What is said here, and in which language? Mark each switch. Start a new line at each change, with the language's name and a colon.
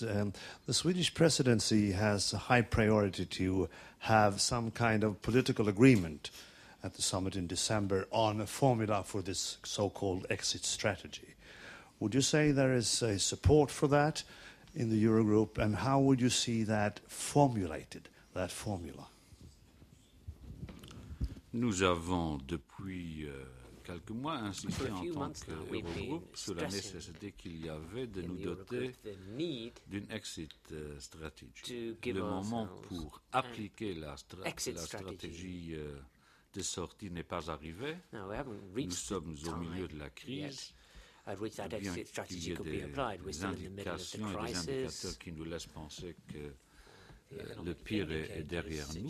English: The Swedish presidency has a high priority to have some kind of political agreement at the summit in December on a formula for this so-called exit strategy. Would you say there is a support for that in the Eurogroup, and how would you see that formulated, that formula?
French: Nous avons depuis quelques mois insisté en tant que Eurogroupe sur la nécessité qu'il y avait de nous doter d'une exit strategy. Le moment pour appliquer la stratégie de sortie n'est pas arrivé. Nous sommes au milieu de la crise.
English: At which that exit strategy could be applied. We're still in the middle of the crisis.
French: Des indicateurs qui nous laissent penser que le pire est derrière nous.